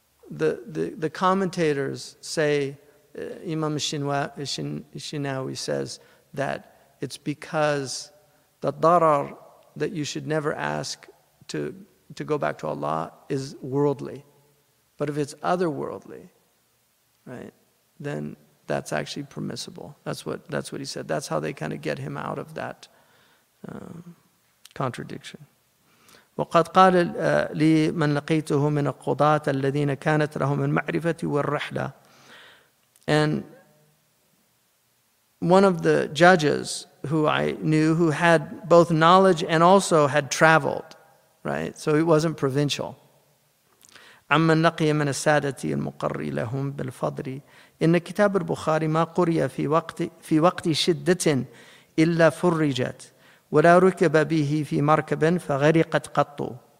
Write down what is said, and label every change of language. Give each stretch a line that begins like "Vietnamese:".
English: The commentators say, Imam Shinawi says that it's because the darar that you should never ask to go back to Allah is worldly. But if it's otherworldly, right, then that's actually permissible. That's what he said. That's how they kind of get him out of that contradiction.
Arabic: وقد قال لي من لقيته من القضاة الذين كانت لهم المعرفة والرحلة.
English: And one of the judges who I knew who had both knowledge and also had traveled, right, so it wasn't provincial.
Arabic: عَمَّنْ لَقِيَ مَنَ السَّادَةِ الْمُقَرِّ لَهُمْ بِالْفَضْرِ إِنَّ كِتَابُ الْبُخَارِ مَا قُرِيَ فِي وَقْتِ شِدَّةٍ إِلَّا فُرِّجَتْ وَلَا رُكَبَ بِهِ فِي مَرْكَبٍ فَغَرِقَتْ قَطُّ.